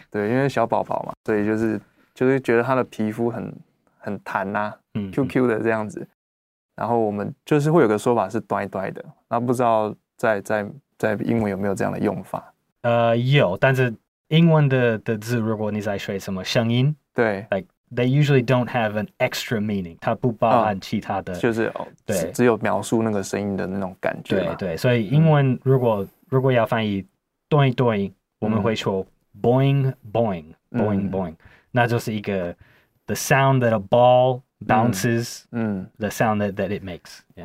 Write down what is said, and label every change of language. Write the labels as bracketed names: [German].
[Chinese] 对，因为小宝宝嘛，所以就是觉得他的皮肤很弹啊 QQ 的这样子，然后我们就是会有个说法是端一端的，那不知道在英文有没有这样的用法。有，但是英文的字如果你在学什么声音，对 [English] like,They usually don't have an extra meaning. [Chinese] 它不包含其他的，就是对，只有描述那个声音的那种感觉。对对，所以英文如果要翻译"doing doing"，我们会说 "boing boing boing boing"，那就是一个 [English] the sound that a ball bounces， the sound that it makes、yeah.。